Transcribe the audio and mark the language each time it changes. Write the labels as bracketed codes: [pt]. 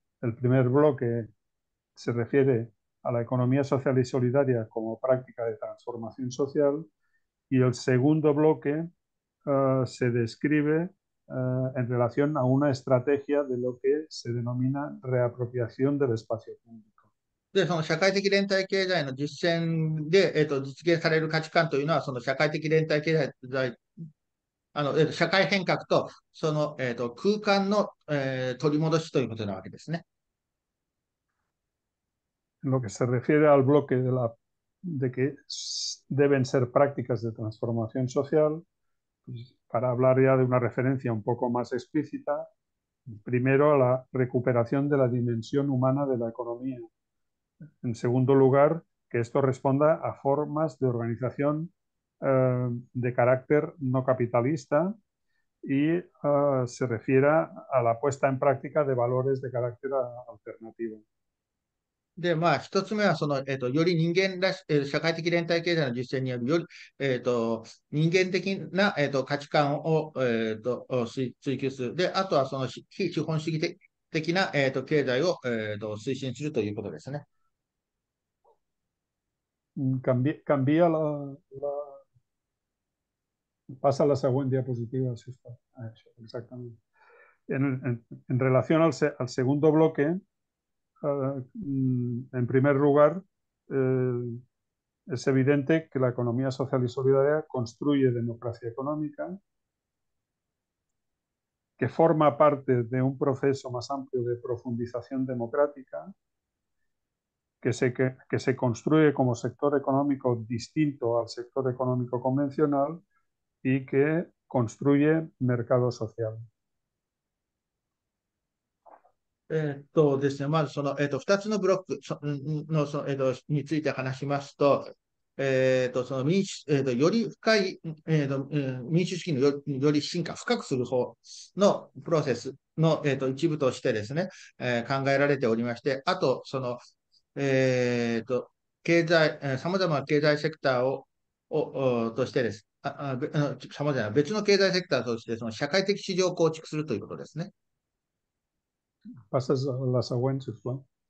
[es] El primer bloque se refiere a la economía social y solidaria como práctica de transformación social, y el segundo bloque se describe en relación a una estrategia de lo que se denomina reapropiación del espacio público. [ja] で、その社会的連帯経済の実践で、実現される価値観というのは、その社会的連帯経済、社会変革と、その、空間の、取り戻しということなわけですね。 [es] En lo que se refiere al bloque de que deben ser prácticas de transformación social, pues para hablar ya de una referencia un poco más explícita, primero la recuperación de la dimensión humana de la economía. En segundo lugar, que esto responda a formas de organización de carácter no capitalista y se refiera a la puesta en práctica de valores de carácter alternativo. [ja] で、一つ目は、その、より人間らし、社会的連帯経済の実践による、より、人間的な、価値観を、追求する。で、あとは、その非資本主義的な、経済を、推進するということですね。 [es] Cambia la pasa la segunda diapositiva, si está, exactamente. En relación al segundo bloque, en primer lugar, es evidente que la economía social y solidaria construye democracia económica, que forma parte de un proceso más amplio de profundización democrática. Que se construye como sector económico distinto al sector económico convencional y que construye mercado social. [ja] ですね、まずその、2つのブロックそのその、について話しますと、その民主、より深い、民主主義のより深化、深くする方のプロセスの、一部としてですね、考えられておりまして、あと、その、経済、さまざまな経済セクターを、としてです。さまざまな別の経済セクターとして、その社会的市場を構築するということですね。 [ca] Passes la següent, si us plau.